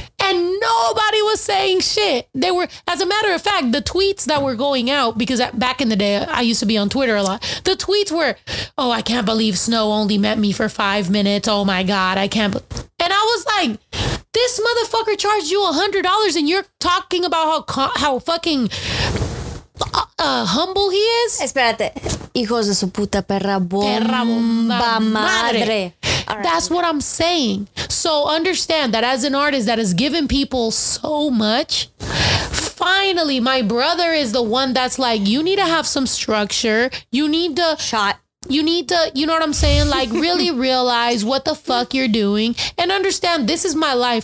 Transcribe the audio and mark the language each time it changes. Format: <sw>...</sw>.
<en>And nobody was saying shit. They were, as a matter of fact, the tweets that were going out, because back in the day, I used to be on Twitter a lot. The tweets were, oh, I can't believe Snow only met me for 5 minutes. Oh my God, I can't. And I was like, this motherfucker charged you $100 and you're talking about how fucking humble he is?</en> <es>Espérate. Hijos de su puta perra bomba madre.</es> <en>Right. That's what I'm saying. So understand that as an artist that has given people so much, finally, my brother is the one that's like, you need to have some structure. You need to shot. You need to, you know what I'm saying? Like, really realize what the fuck you're doing and understand this is my life.</en>